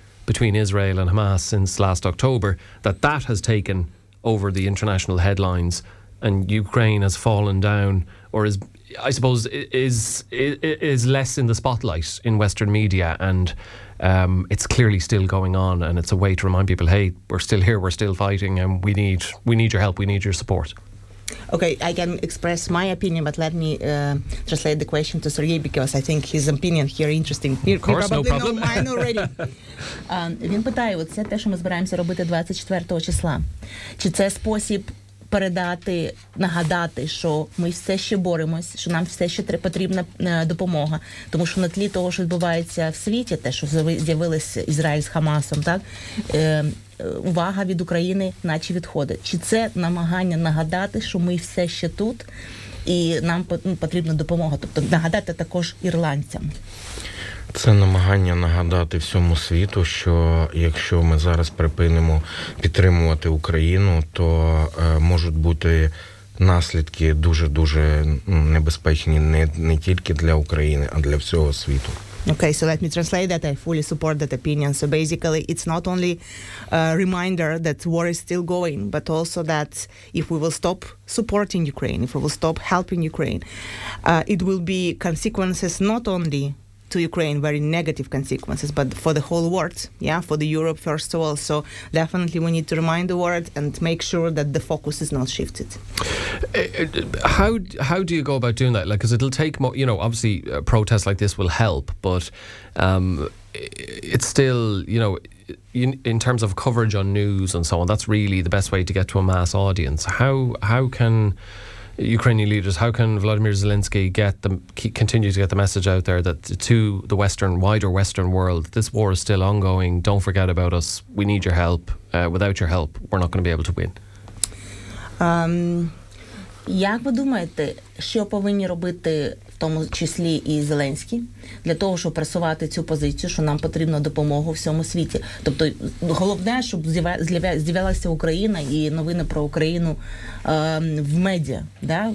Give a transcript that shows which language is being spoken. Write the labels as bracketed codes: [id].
[en] between Israel and Hamas since last October, that has taken over the international headlines, and Ukraine has fallen down, or is less in the spotlight in Western media, and it's clearly still going on, and it's a way to remind people, hey, we're still here, we're still fighting, and we need your help, we need your support. Okay, I can express my opinion, but let me translate the question to Serhii, because I think his opinion here interesting. Of course, probably no problem. Know mine already. [uk] Він питає, оце те, що ми збираємося робити 24-го числа. Чи це спосіб передати, нагадати, що ми все ще боремось, що нам все ще потрібна допомога. Тому що на тлі того, що відбувається в світі, те, що з'явилися Ізраїль з Хамасом, так, увага від України наче відходить. Чи це намагання нагадати, що ми все ще тут, і нам потрібна допомога? Тобто нагадати також ірландцям. Це намагання нагадати всьому світу, що якщо ми зараз припинимо підтримувати Україну, то можуть бути наслідки дуже-дуже небезпечні не тільки для України, а для всього світу. [en] Okay, so let me translate that. I fully support that opinion. So basically, it's not only a reminder that war is still going, but also that if we will stop supporting Ukraine, if we will stop helping Ukraine, it will be consequences not only to Ukraine, very negative consequences, but for the whole world, yeah, for the Europe first of all. So definitely we need to remind the world and make sure that the focus is not shifted. How do you go about doing that? Like, because it'll take more, you know, obviously protests like this will help, but it's still, you know, in terms of coverage on news and so on, that's really the best way to get to a mass audience. How can Ukrainian leaders, how can Volodymyr Zelensky continue to get the message out there that to the Western, wider Western world, this war is still ongoing, don't forget about us, we need your help, without your help, we're not going to be able to win? [uk] Як ви думаєте, що повинні робити в тому числі і Зеленський для того, щоб просувати цю позицію, що нам потрібна допомога у всьому світі? Тобто головне, щоб з'явилася Україна і новини про Україну в медіа. Да?